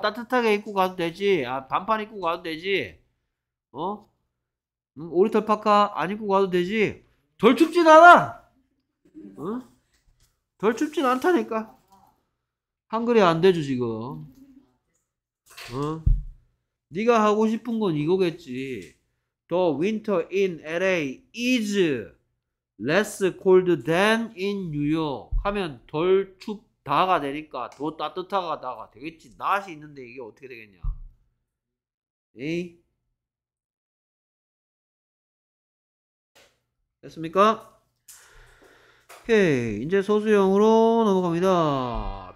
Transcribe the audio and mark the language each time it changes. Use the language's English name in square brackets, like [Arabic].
[Korean] 따뜻하게 입고 가도 되지. 아, 반팔 입고 가도 되지. 어? 오리털 파카 안 입고 가도 되지. 덜 춥진 않아. 응? 덜 춥진 않다니까. 한글이 안 되죠, 지금. 응? 네가 하고 싶은 건 이거겠지. [English] The winter in LA is less cold than in New York. [Korean] 하면 덜 춥. 다가 되니까 더 따뜻하다가 되겠지. not이 있는데 이게 어떻게 되겠냐. 에이? 됐습니까? 오케이. 이제 소수형으로 넘어갑니다.